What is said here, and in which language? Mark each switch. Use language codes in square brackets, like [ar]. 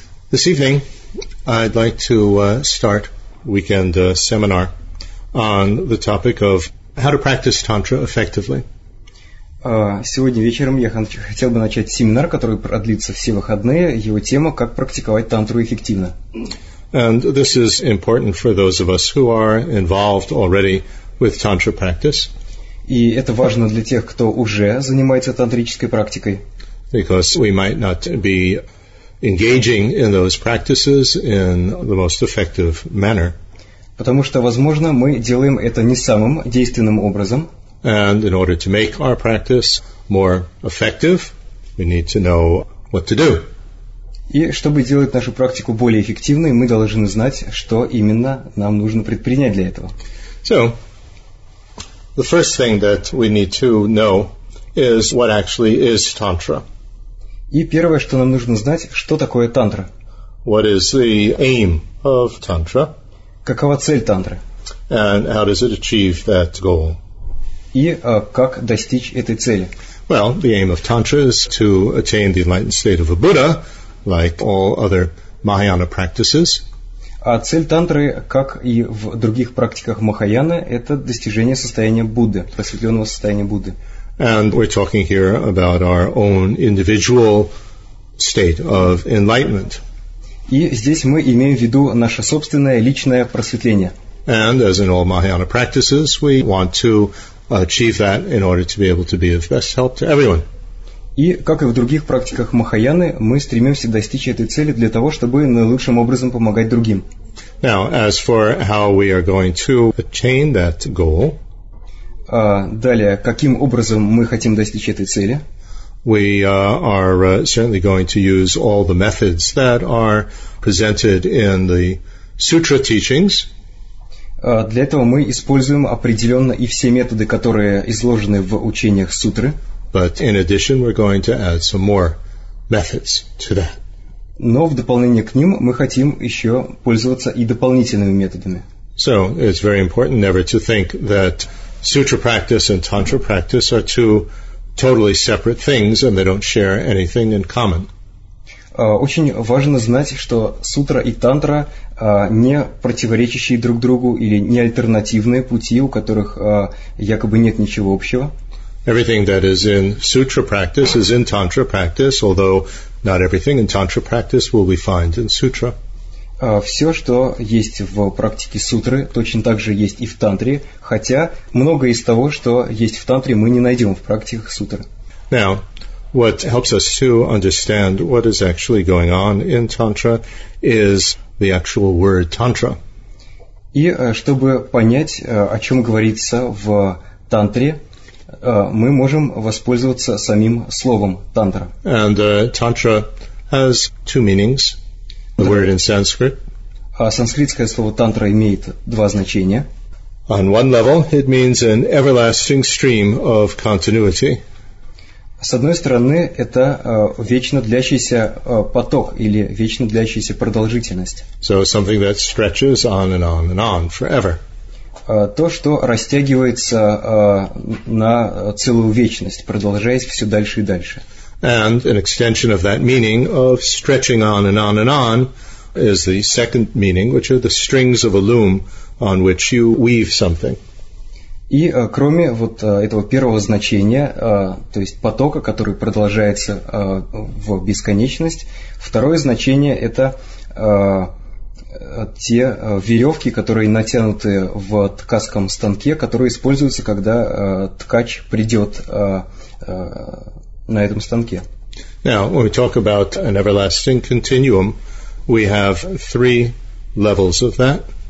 [en] This evening, I'd like to start weekend seminar on the topic of how to practice tantra effectively. [ru] Сегодня вечером я хотел бы начать семинар, который продлится все выходные. Его тема – как практиковать тантру эффективно. [en] And this is important for those of us who are involved already with tantra practice. [ru] И это важно для тех, кто уже занимается тантрической практикой. [en] Because we might not be engaging in those practices in the most effective manner. [ru] Потому что, возможно, мы делаем это не самым действенным образом. [en] And in order to make our practice more effective, we need to know what to do. [ru] И чтобы делать нашу практику более эффективной, мы должны знать, что именно нам нужно предпринять для этого. [en] So, the first thing that we need to know is what actually is tantra. [ru] И первое, что нам нужно знать, что такое тантра. [en] What is the aim of tantra? [ru] Какова цель тантры? [en] And how does it achieve that goal? [ru] И как достичь этой цели? [en] Well, the aim of tantra is to attain the enlightened state of a Buddha, like all other Mahayana practices. [ru] А цель тантры, как и в других практиках Махаяны, это достижение состояния Будды, просветленного состояния Будды. [en] And we're talking here about our own individual state of enlightenment. [ru] И здесь мы имеем в виду наше собственное личное просветление. [en] And as in all Mahayana practices, we want to achieve that in order to be able to be of best help to everyone. [ru] И как и в других практиках Махаяны, мы стремимся достичь этой цели для того, чтобы наилучшим образом помогать другим. [en] Now, as for how we are going to attain that goal, [ru] далее, каким образом мы хотим достичь этой цели? [en] We are certainly going to use all the methods that are presented in the sutra teachings. [ru] Для этого мы используем определенно и все методы, которые изложены в учениях сутры. [en] But in addition, we're going to add some more methods to that. [ru] Но в дополнение к ним мы хотим еще пользоваться и дополнительными методами. [en] So it's very important never to think that sutra practice and tantra practice are two totally separate things and they don't share anything in common. [ru] Очень важно знать, что сутра и тантра не противоречащие друг другу или не альтернативные пути, у которых якобы нет ничего общего. [en] Everything that is in sutra practice is in tantra practice, although not everything in tantra practice will be found in sutra. [ru] Все, что есть в практике сутры, точно так же есть и в тантре, хотя многое из того, что есть в тантре, мы не найдем в практиках сутры. [en] Now, what helps us to understand what is actually going on in tantra is the actual word tantra. [ru] И чтобы понять, о чем говорится в тантре, мы можем воспользоваться самим словом тантра. [en] And tantra has two meanings. The word in Sanskrit. [ru] Санскритское слово тантра имеет два значения. [en] On one level, it means an everlasting stream of continuity. [ru] С одной стороны, это вечно длящийся поток или вечно длящаяся продолжительность. [en] So something that stretches on and on and on forever. [ru] То, что растягивается на целую вечность, продолжаясь все дальше и дальше. [en] And an extension of that meaning of stretching on and on and on is the second meaning, which are the strings of a loom on which you weave something. [ru] И кроме вот этого первого значения, то есть потока, который продолжается в бесконечность, второе значение – это те веревки, которые натянуты в ткацком станке, которые используются, когда ткач придет на этом станке. [en] Now, when we talk about an everlasting continuum, we have three levels of that.